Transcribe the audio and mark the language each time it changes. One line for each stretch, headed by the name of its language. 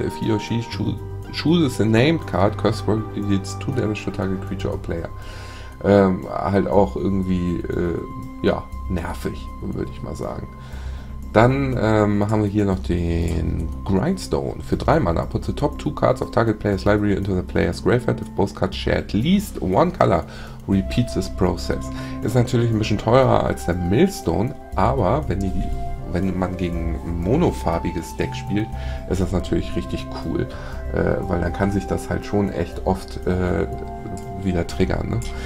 English: If he or she chooses a named card, Curse Scroll deals 2 damage to target creature or player.
German: Halt auch irgendwie, ja, nervig, würde ich mal sagen. Dann haben wir hier noch den Grindstone für 3 Mana.
English: Put the top 2 cards of target player's library into the player's graveyard. If both cards share at least one color, repeats this process.
German: Ist natürlich ein bisschen teurer als der Millstone, aber wenn man gegen monofarbiges Deck spielt, ist das natürlich richtig cool, weil dann kann sich das halt schon echt oft wieder triggern. Ne?